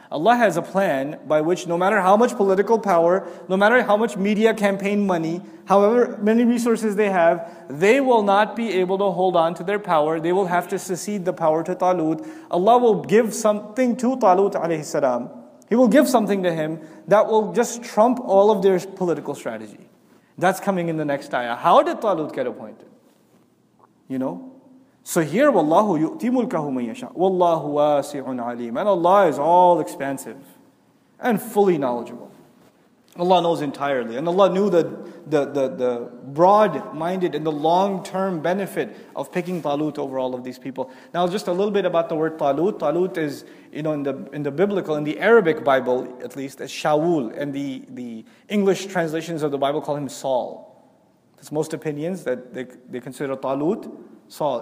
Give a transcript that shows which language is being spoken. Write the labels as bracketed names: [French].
[English] Allah has a plan by which no matter how much political power, no matter how much media campaign money, however many resources they have, they will not be able to hold on to their power. They will have to secede the power to Talut. Allah will give something to Talut alayhi salam. He will give something to him that will just trump all of their political strategy. That's coming in the next ayah. How did Talut get appointed? You know? So here, [Arabic] وَاللَّهُ يُؤْتِي مُلْكَهُ مَنْ يَشَاءُ وَاللَّهُ وَاسِعٌ عَلِيمٌ. [English] And Allah is all expansive and fully knowledgeable. Allah knows entirely. And Allah knew the broad-minded and the long-term benefit of picking Talut over all of these people. Now just a little bit about the word Talut. Talut is, you know, in the biblical, in the Arabic Bible at least, as Shaul, and the English translations of the Bible call him Saul. It's most opinions that they consider Talut Saul.